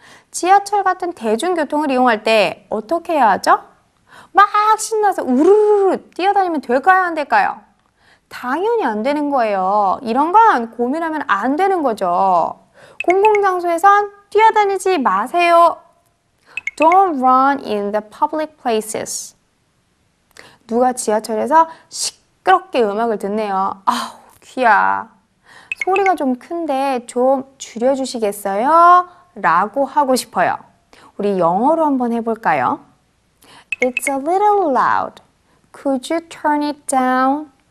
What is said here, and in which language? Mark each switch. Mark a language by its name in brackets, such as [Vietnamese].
[Korean] 지하철 같은 대중교통을 이용할 때 어떻게 해야 하죠? 막 신나서 우르르르 뛰어다니면 될까요? 안 될까요? 당연히 안 되는 거예요. 이런 건 고민하면 안 되는 거죠. 공공장소에선 뛰어다니지 마세요. [English] Don't run in the public places. [Korean] 누가 지하철에서 시끄럽게 음악을 듣네요. 아우, 귀야. 소리가 좀 큰데 좀 줄여주시겠어요? 라고 하고 싶어요. 우리 영어로 한번 해볼까요? [English] It's a little loud. Could you turn it down?